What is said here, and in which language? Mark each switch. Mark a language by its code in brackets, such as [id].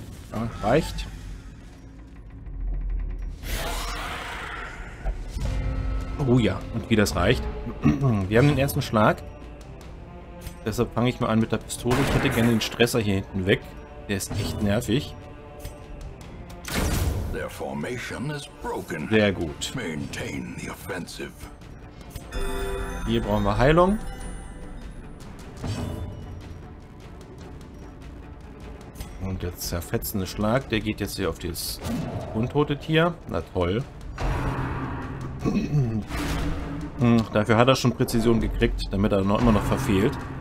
[de] Ja, reicht. Oh ja, und wie das reicht. Wir haben den ersten Schlag. Deshalb fange ich mal an mit der Pistole. Ich hätte gerne den Stresser hier hinten weg. Der ist echt nervig. [en] Their formation is broken. [de] Sehr gut. [en] Maintain the offensive. [de] Hier brauchen wir Heilung. Und der zerfetzende Schlag, der geht jetzt hier auf dieses untote Tier. Na toll. Dafür hat er schon Präzision gekriegt, damit er noch immer noch verfehlt.